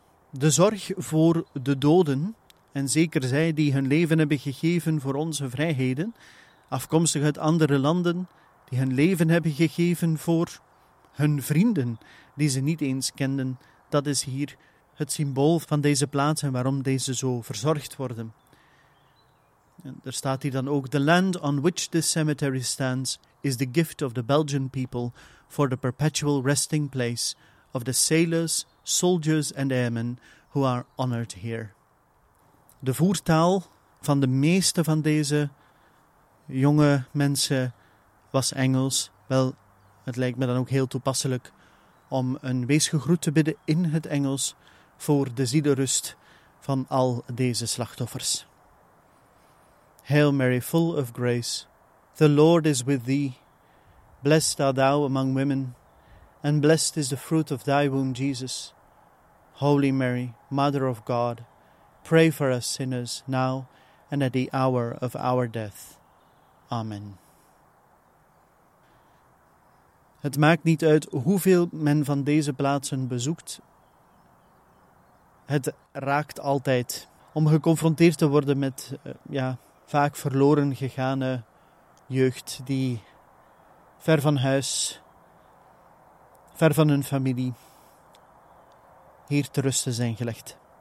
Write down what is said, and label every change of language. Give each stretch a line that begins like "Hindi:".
Dutch: De zorg voor de doden, en zeker zij die hun leven hebben gegeven voor onze vrijheden, afkomstig uit andere landen, die hun leven hebben gegeven voor hun vrienden, die ze niet eens kenden, dat is hier het symbool van deze plaats en waarom deze zo verzorgd worden. En er staat hier dan ook:
English: The land on which this cemetery stands is the gift of the Belgian people for the perpetual resting place of the sailors, soldiers and airmen who are honored here.
Dutch: De voertaal van de meeste van deze jonge mensen was Engels. Wel, het lijkt me dan ook heel toepasselijk om een weesgegroet te bidden in het Engels voor de zielerust van al deze slachtoffers.
English: Hail Mary, full of grace, the Lord is with thee. Blessed art thou among women, and blessed is the fruit of thy womb, Jesus. Holy Mary, Mother of God, pray for us sinners now and at the hour of our death. Amen.
Dutch: Het maakt niet uit hoeveel men van deze plaatsen bezoekt. Het raakt altijd om geconfronteerd te worden met vaak verloren gegaane jeugd die ver van huis, ver van hun familie, hier te rusten zijn gelegd.